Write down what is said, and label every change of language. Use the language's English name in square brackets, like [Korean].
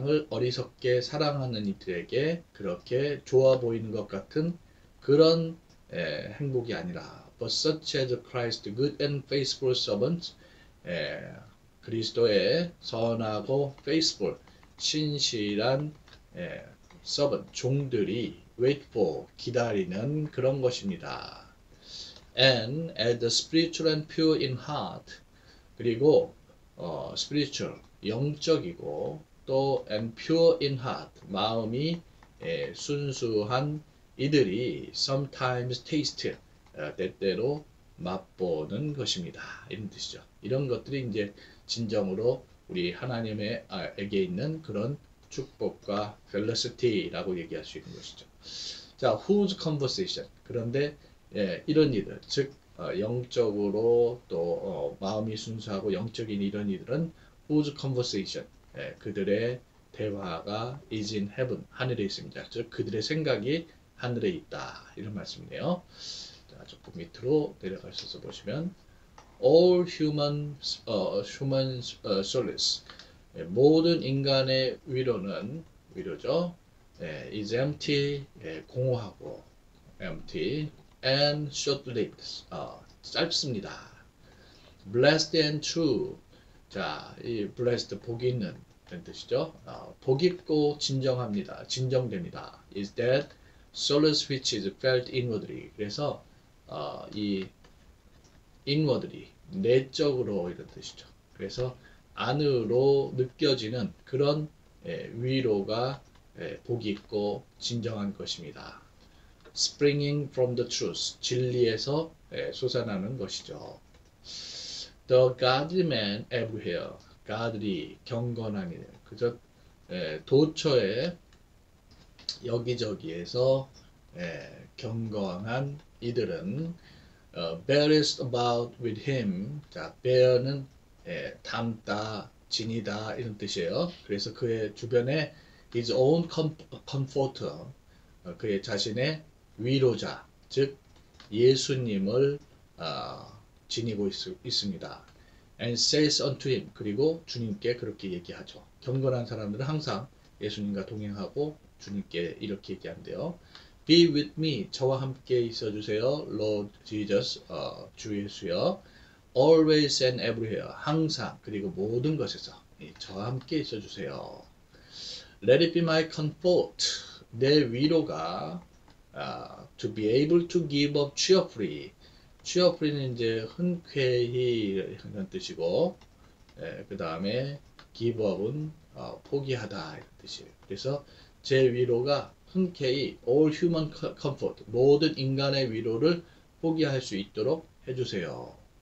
[Korean] 어리석게 사랑하는 이들에게 그렇게 좋아 보이는 것 같은 그런 행복이 아니라, [English] but such as Christ, good and faithful servants, [Korean] 그리스도의 선하고 faithful, 신실한 servant, 종들이 [English] wait for, [Korean] 기다리는 그런 것입니다. [English] And as the spiritual and pure in heart, [Korean] 그리고 [English] spiritual, [Korean] 영적이고, 또 [English] and pure in heart, [Korean] 마음이 순수한 이들이 [English] sometimes taste, [Korean] 때때로 맛보는 것입니다. 이런 뜻이죠. 이런 것들이 이제 진정으로 우리 하나님에게 있는 그런 축복과 felicity라고 얘기할 수 있는 것이죠. [English] 자, whose conversation? [Korean] 그런데 이런 이들, 즉 영적으로 또 마음이 순수하고 영적인 이런 이들은 [English] whose conversation? [Korean] 그들의 대화가 [English] is in heaven, [Korean] 하늘에 있습니다. 즉 그들의 생각이 하늘에 있다, 이런 말씀이네요. 그 밑으로 내려가셔서 보시면 [English] All humans, humans solace. [Korean] 예, 모든 인간의 위로는 위로죠. [English] 예, is empty, 예, [Korean] 공허하고 [English] empty and short-lived. [Korean] 짧습니다. [English] Blessed and true. [Korean] 자, 이 blessed 복이 있는 이런 뜻이죠. 복 있고 진정합니다. 진정됩니다. [English] Is that solace which is felt inwardly? [Korean] 그래서 이 inwardly 내적으로 이런 뜻이죠. 그래서 안으로 느껴지는 그런 위로가 복 있고 진정한 것입니다. [English] Springing from the truth, [Korean] 진리에서 솟아나는 것이죠. [English] The godly man everywhere, godly [Korean] 경건함이 그저 도처에 여기저기에서 경건한 이들은 [English] bears about with him. [Korean] 자, bear는 담다, 지니다 이런 뜻이에요. 그래서 그의 주변에 [English] his own comforter, [Korean] 그의 자신의 위로자, 즉 예수님을 지니고 있습니다. [English] And says unto him, [Korean] 그리고 주님께 그렇게 얘기하죠. 경건한 사람들은 항상 예수님과 동행하고 주님께 이렇게 얘기한대요. [English] Be with me, [Korean] 저와 함께 있어주세요. [English] Lord Jesus, [Korean] 주 예수여. [English] Always and everywhere, [Korean] 항상 그리고 모든 것에서 저와 함께 있어주세요. [English] Let it be my comfort, [Korean] 내 위로가 [English] to be able to give up cheerfully. [Korean] Cheerfully는 이제 흔쾌히 이런 뜻이고, 예, 그 다음에 give up은 포기하다 이런 뜻이에요. 그래서 제 위로가 흔쾌히 [English] all human comfort, [Korean] 모든 인간의 위로를 포기할 수 있도록 해주세요.